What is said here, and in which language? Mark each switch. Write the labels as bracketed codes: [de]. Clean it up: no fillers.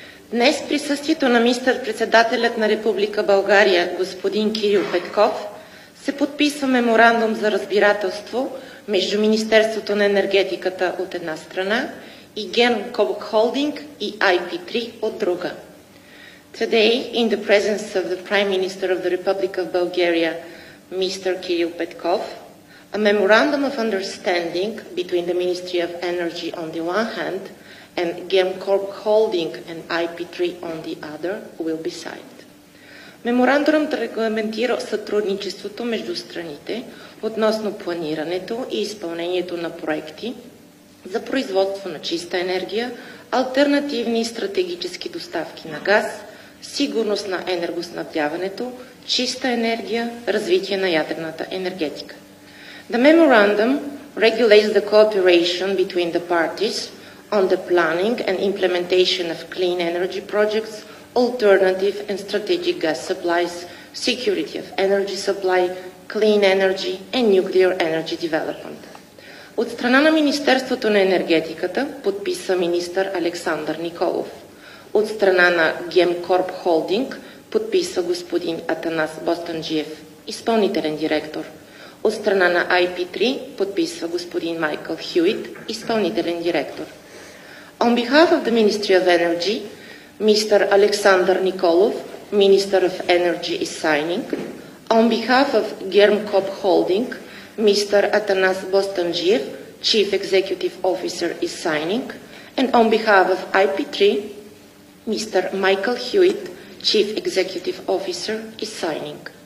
[bg] Днес в присъствието на министър-председателят на Република България, господин Кирил Петков, се подписва меморандум за разбирателство между Министерството на енергетиката от една страна и Gemcorp Holding и IP3 от друга. [en] Today, in the presence of the Prime Minister of the Republic of Bulgaria, Mr. Kirill Petkov, a memorandum of understanding between the Ministry of Energy on the one hand and Gemcorp Holding and IP3 on the other will be signed. [bg] Меморандумът регламентира сътрудничеството между страните относно планирането и изпълнението на проекти за производство на чиста енергия, алтернативни стратегически доставки на газ, сигурност на енергоснабдяването, чиста енергия, развитие на ядрената енергетика. [en] The memorandum regulates the cooperation between the parties on the planning and implementation of clean energy projects, alternative and strategic gas supplies, security of energy supply, clean energy and nuclear energy development. [bg] От страна на Министерството на енергетиката подписа министър Александър Николов. От страна на Gemcorp Holding подписа господин Атанас Бостанджиев, изпълнителен директор. От страна на IP3 подписва господин Майкъл Хюит, изпълнителен директор. [en] On behalf of the Ministry of Energy, Mr. Александър Николов, Minister of Energy, is signing. On behalf of Gemcorp Holding, Mr. Атанас Бостанджиев, Chief Executive Officer, is signing. And on behalf of IP3, Mr. Michael Hewitt, Chief Executive Officer, is signing.